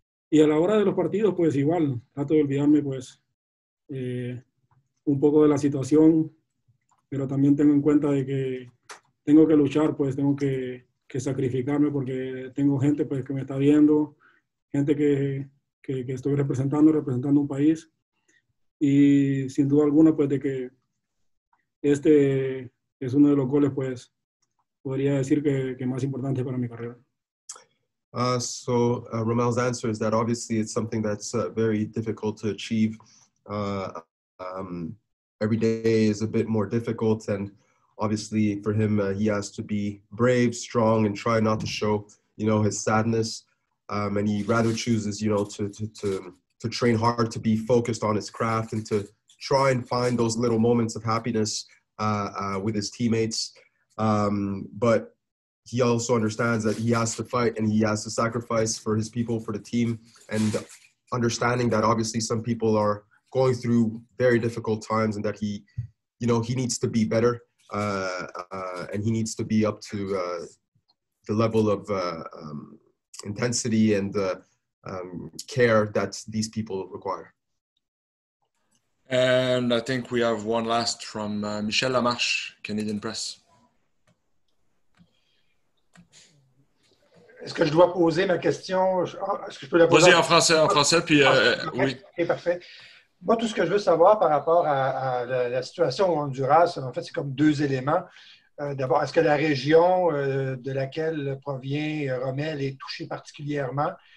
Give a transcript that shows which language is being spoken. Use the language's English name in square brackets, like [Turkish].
[Spanish] Y a la hora de los partidos, pues, igual, trato de olvidarme, pues, un poco de la situación, pero también tengo en cuenta de que tengo que luchar, pues, tengo que sacrificarme, porque tengo gente, pues, que me está viendo, gente que estoy representando un país, y sin duda alguna, pues, de que este es uno de los goles, pues, podría decir que más importante para mi carrera. [English] So Romell's answer is that obviously it's something that's very difficult to achieve. Every day is a bit more difficult, and obviously for him, he has to be brave, strong, and try not to show, you know, his sadness. And he rather chooses, you know, to train hard, to be focused on his craft, and to try and find those little moments of happiness with his teammates. But he also understands that he has to fight and he has to sacrifice for his people, for the team, and understanding that obviously some people are going through very difficult times and that he, you know, he needs to be better and he needs to be up to the level of intensity and care that these people require. And I think we have one last from Michel Lamarche, Canadian Press. [French] Est-ce que je dois poser ma question? Est-ce que je peux la poser en français, puis okay, oui. Okay, parfait. Moi, tout ce que je veux savoir par rapport à la situation au Honduras, en fait, c'est comme deux éléments. D'abord, est-ce que la région de laquelle provient Romell est touchée particulièrement?